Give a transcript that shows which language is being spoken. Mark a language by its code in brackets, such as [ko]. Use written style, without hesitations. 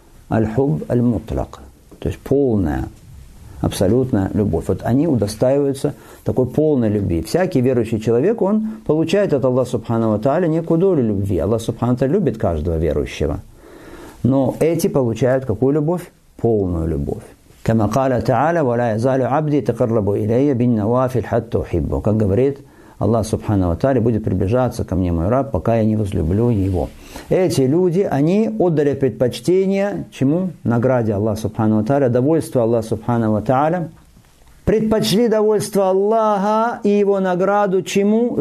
[ru] Аль-хуб аль-мутлак, то есть полная, абсолютная любовь. Вот они удостаиваются такой полной любви. Всякий верующий человек, он получает от Аллаха Субхану ва Тааля некую долю любви. Аллах Субхану ва Тааля любит каждого верующего. Но эти получают какую любовь? Полную любовь. [ar] كما قال تعالى ولا يزال عبدي تقرب إلي بالنوافل حتى أحبه. [ru] Как говорит Аллах Субхану ва Тааля, будет приближаться ко мне мой раб, пока я не возлюблю его. Эти люди, они отдали предпочтение чему? Награде Аллаха Субхану ва Тааля, довольству Аллаха Субхану ва Тааля. Предпочли довольство Аллаха и его награду чему?